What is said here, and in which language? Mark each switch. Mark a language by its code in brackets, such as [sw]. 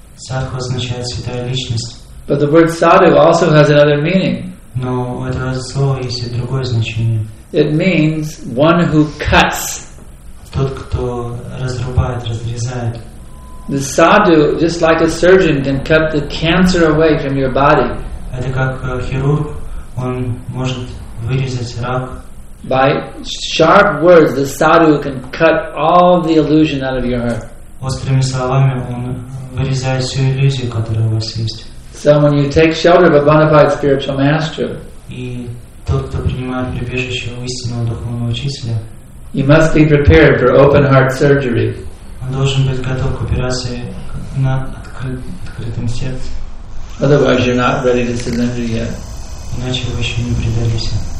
[ru] Sadhu означает святая личность. [en] But the word sadhu also has another meaning. [ru] Но у этого слова есть и другое значение. [en] It means one who cuts. [ru] Тот, кто разрубает, разрезает. [en] The sadhu, just like a surgeon, can cut the cancer away from your body. [ru] Это как хирург, он может вырезать рак. [en] By sharp words, the sadhu can cut all the illusion out of your heart. [ru] Острыми словами он вырезает всю иллюзию, которая у вас есть. [en] So when you take shelter of a bona fide spiritual master, [ru] и тот, кто принимает прибежище у истинного духовного учителя, [en] you must be prepared for open heart surgery. [ru] Он должен быть готов к операции на открытом сердце. [en] Otherwise, you're not ready to surrender yet. [ru] Иначе вы еще не предались.